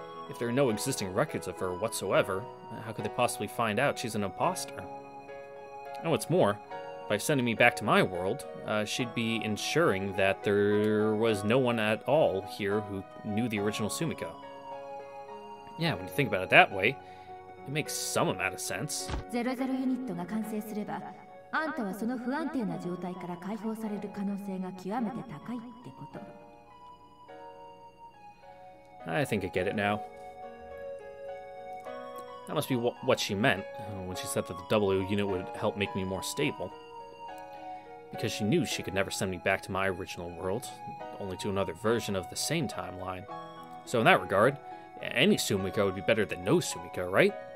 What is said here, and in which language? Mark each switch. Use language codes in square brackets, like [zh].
[en] If there are no existing records of her whatsoever, how could they possibly find out she's an imposter? And what's more, by sending me back to my world, she'd be ensuring that there was no one at all here who knew the original Sumika. Yeah, when you think about it that way, it makes some amount of sense. [ja] 00 unit が完成すれば, あんたはその不安定な状態から解放される可能性が極めて高いってこと。 [en] I think I get it now. That must be what she meant when she said that the W unit would help make me more stable. because she knew she could never send me back to my original world, only to another version of the same timeline. So in that regard, any Sumika would be better than no Sumika, right?